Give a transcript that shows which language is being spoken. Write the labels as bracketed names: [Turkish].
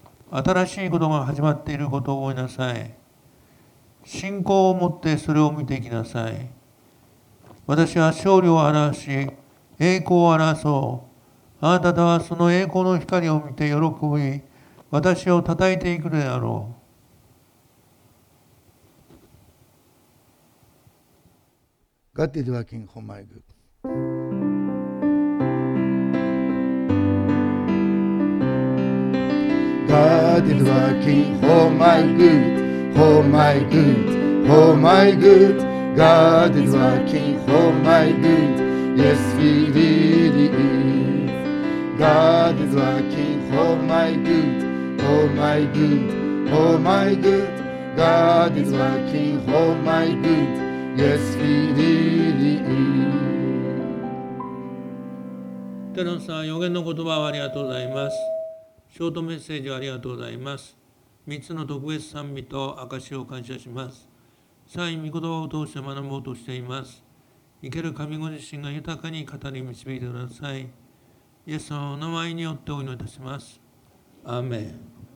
[Japanese] 新しいことが始まっていることを覚えなさい。信仰を持ってそれを見ていきなさい。私は勝利を表し、栄光を表そう。あなたとはその栄光の光を見て喜び、私を讃えていくであろう。 [English] God is working for my good。 God is working for my good, for my good, for my good. God is working for my good, yes, he really is. God is working for my good, for my good, for my good. God is working for my good, yes, he really is. [Japanese] 寺野さん、予言の言葉をありがとうございます。ショートメッセージありがとうございます。 3つの特別賛美と証を感謝します。さらに御言葉を通して学ぼうとしています。生ける神ご自身が豊かに語り導いてください。イエス様のお名前によってお祈りいたします。アーメン。